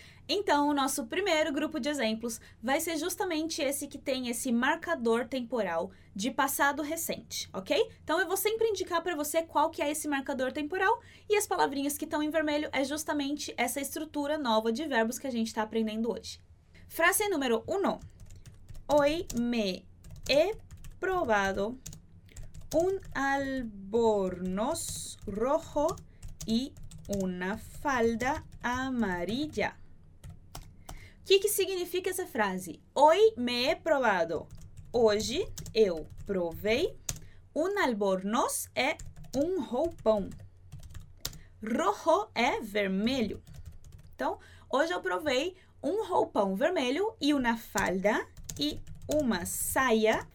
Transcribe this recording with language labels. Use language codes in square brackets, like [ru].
[pt] Então, o nosso primeiro grupo de exemplos vai ser justamente esse que tem esse marcador temporal de passado recente, ok? Então, eu vou sempre indicar para você qual que é esse marcador temporal, e as palavrinhas que estão em vermelho é justamente essa estrutura nova de verbos que a gente está aprendendo hoje. Frase número 1. [es] Hoy me he probado un albornoz rojo y una falda amarilla. [pt] O que significa essa frase? [es] Hoy me he probado. [pt] Hoje eu provei. [es] Un albornoz [pt] é um roupão. Rojo é vermelho. Então, hoje eu provei um roupão vermelho e uma falda e uma saia.